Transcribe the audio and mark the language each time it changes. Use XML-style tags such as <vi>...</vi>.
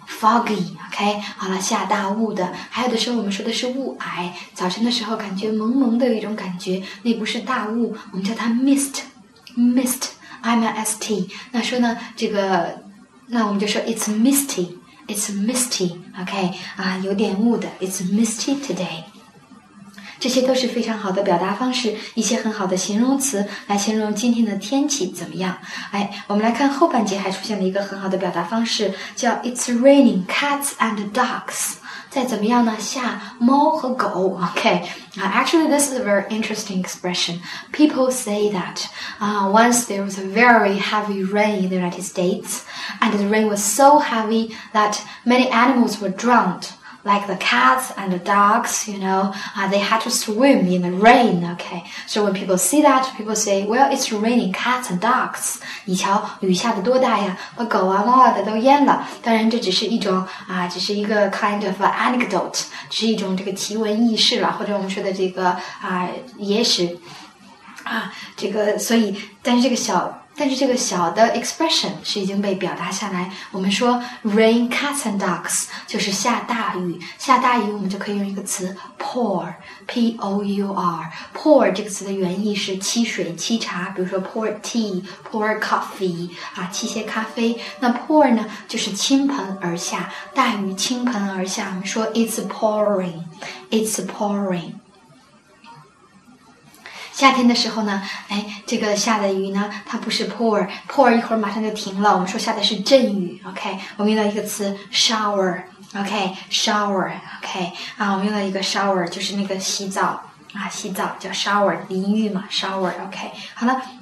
<zh>OK， 好了，下大雾的。还有的时候我们说的是雾霭，早晨的时候感觉蒙蒙的有一种感觉，那不是大雾，我们叫它 mist， M-I-S-T。那说呢，这个，那我们就说</zh> <en>it's misty， it's misty。 OK， 啊，</en> <zh>有点雾的</zh> <en>，it's misty today。</en> <zh>这些都是非常好的表达方式，一些很好的形容词来形容今天的天气怎么样。哎，我们来看后半节还出现了一个很好的表达方式，叫</zh> <en>It's raining cats and dogs。</en> <zh>再怎么样呢？下猫和狗。</zh> <en>OK， actually this is a very interesting expression. People say that once there was a very heavy rain in the United States, and the rain was so heavy that many animals were drowned. Like the cats and the dogs, you know,they had to swim in the rain, okay? So when people see that, people say, well, it's raining cats and dogs.</en> <zh>你瞧雨下的多大呀，把狗啊猫啊的都淹了。当然这只是一种只是一个</zh> <en>kind of anecdote,</en> <zh>只是一种这个奇闻异事了，或者我们说的这个野史啊，这个所以但是这个小的 expression 是已经被表达下来。我们说</zh> <en>rain cats and dogs</en> <zh>就是下大雨，下大雨我们就可以用一个词 pour, P-O-U-R. Pour 这个词的原意是沏水、沏茶，比如说</zh> <en>pour tea, pour coffee,</en> <zh>沏些咖啡。那 pour 呢，就是倾盆而下，大雨倾盆而下。我们说</zh> <en>it's pouring, it's pouring。</en> <zh>夏天的时候呢，哎，这个下的雨呢，它不是 pour 一会儿马上就停了，我们说下的是阵雨 ，OK， 我们用到一个词 shower，OK， 啊，我们用到一个 shower 就是那个洗澡啊，洗澡叫 shower， 淋浴嘛 ，shower，OK，、okay、好了。</zh>